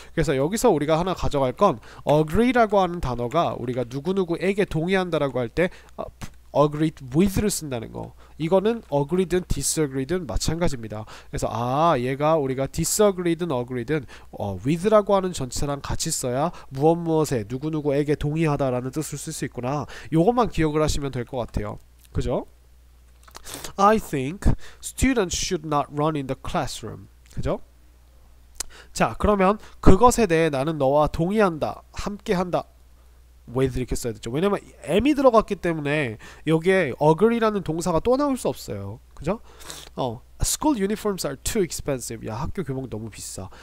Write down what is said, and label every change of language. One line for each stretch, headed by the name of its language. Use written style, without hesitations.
Korean: 그래서 여기서 우리가 하나 가져갈 건 agree라고 하는 단어가 우리가 누구누구에게 동의한다라고 할때 agree with를 쓴다는 거. 이거는 agreed든 disagreed든 마찬가지입니다. 그래서 아, 얘가 우리가 disagreed든 agreed든 with라고 하는 전치사랑 같이 써야 무엇 무엇에 누구누구에게 동의하다라는 뜻을 쓸수 있구나. 요것만 기억을 하시면 될것 같아요. 그죠?
English: I think students should not run in the classroom.
Korean: 그죠? 자, 그러면 그것에 대해 나는 너와 동의한다. 함께한다. with 이렇게 써야 되죠. 왜냐면 am이 들어갔기 때문에 여기에 agree라는 동사가 또 나올 수 없어요. 그죠?
English: School uniforms are too expensive.
Korean: 야, 학교 교복 너무 비싸.